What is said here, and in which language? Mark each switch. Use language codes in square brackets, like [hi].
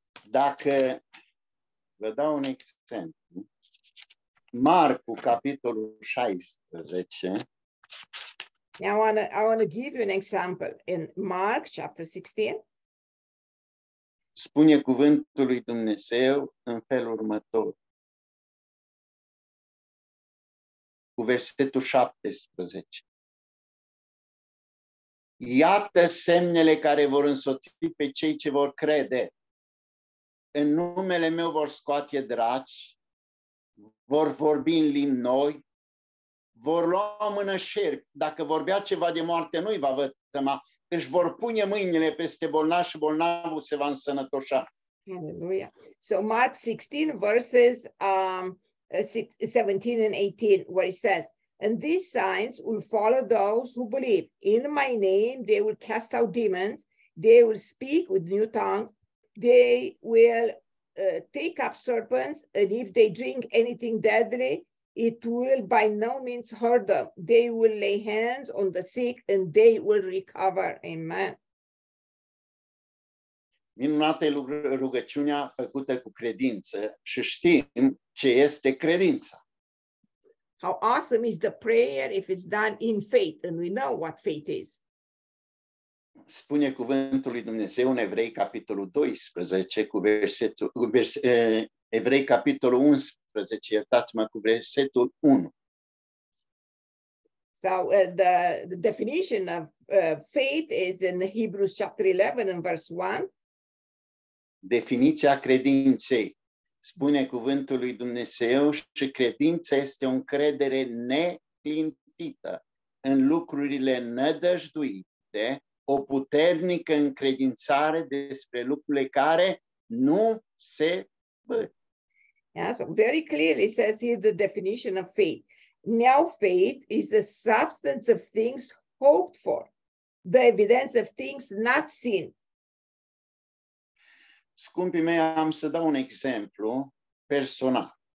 [ro] Dacă vă dau un exemplu, Marcu, capitolul 16. [en] Now I want to give you an example in Mark chapter 16. [ro] Spune cuvântul lui Dumnezeu în felul următor. Cu versetul 17. Iată semnele care vor însoți pe cei ce vor crede. În numele meu vor scoate draci, vor vorbi în limbi noi, vor lua mână șerpi. Dacă vorbea ceva de moarte, nu-i va vătăma. Își vor pune mâinile peste bolnav și bolnavul se va însănătoșa. Hallelujah. [en] So Mark 16, verses 17 and 18, where it says, and these signs will follow those who believe. In my name, they will cast out demons. They will speak with new tongues. They will take up serpents. And if they drink anything deadly, it will by no means hurt them. They will lay hands on the sick and they will recover. Amen. [ro] Minunată e rugăciunea făcută cu credință și știm ce este credința. [en] How awesome is the prayer if it's done in faith and we know what faith is. [ro] Spune cuvântul lui Dumnezeu în Evrei capitolul 12 cu versetul Evrei capitolul 11, iertați-mă, cu versetul 1. [en] So the definition of faith is in Hebrews chapter 11 and verse 1. [ro] Definiția credinței. spune cuvântul lui Dumnezeu, și credința este o încredere neclintită în lucrurile nădăjduite, o puternică încredințare despre lucrurile care nu se văd. [en] Yeah, so very clearly says here the definition of faith. Now faith is the substance of things hoped for, the evidence of things not seen. [ro] Scumpii mei, am să dau un exemplu personal.